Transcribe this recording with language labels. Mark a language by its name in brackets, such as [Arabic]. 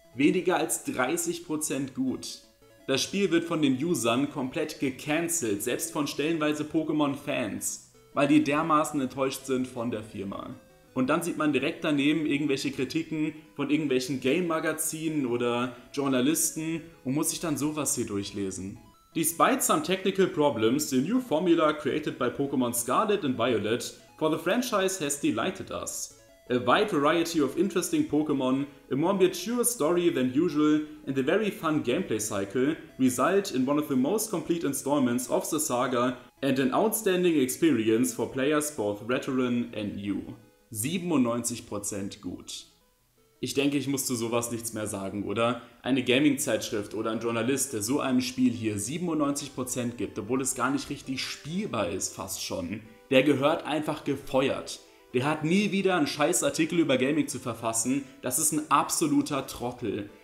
[German] Weniger als 30% gut. Das Spiel wird von den Usern komplett gecancelt, selbst von stellenweise Pokémon-Fans, weil die dermaßen enttäuscht sind von der Firma. Und dann sieht man direkt daneben irgendwelche Kritiken von irgendwelchen Game-Magazinen oder Journalisten und muss sich dann sowas hier durchlesen. [English] Despite some technical problems, the new formula created by Pokémon Scarlet and Violet for the franchise has delighted us. A wide variety of interesting Pokémon, a more mature story than usual, and a very fun gameplay cycle result in one of the most complete installments of the saga and an outstanding experience for players both veteran and new. [German] 97% gut. Ich denke, ich muss zu sowas nichts mehr sagen, oder? Eine Gaming-Zeitschrift oder ein Journalist, der so einem Spiel hier 97% gibt, obwohl es gar nicht richtig spielbar ist, fast schon, der gehört einfach gefeuert. Der hat nie wieder einen scheiß Artikel über Gaming zu verfassen, das ist ein absoluter Trottel.